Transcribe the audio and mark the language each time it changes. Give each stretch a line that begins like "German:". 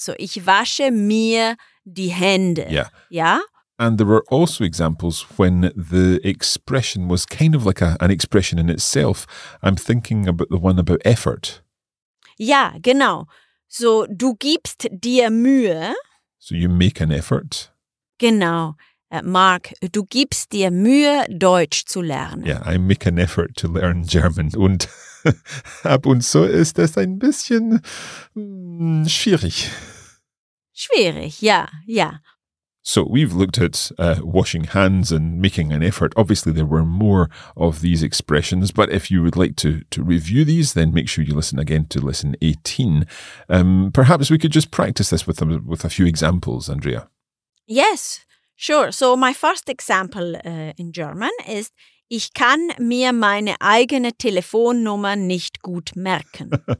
German: So ich wasche mir die Hände.
English: Yeah. Yeah. And there were also examples when the expression was kind of like an expression in itself. I'm thinking about the one about effort.
German: Ja, genau. So, du gibst dir Mühe.
English: So, you make an effort.
German: Genau. Mark, du gibst dir Mühe, Deutsch zu lernen.
English: Yeah, I make an effort to learn German.
German: Und ab und so ist das ein bisschen schwierig. Schwierig, ja, ja.
English: So we've looked at washing hands and making an effort. Obviously, there were more of these expressions, but if you would like to review these, then make sure you listen again to lesson 18. Perhaps we could just practice this with a few examples, Andrea. Yes, sure. So my first example in German is
German: ich kann mir meine eigene Telefonnummer nicht gut merken.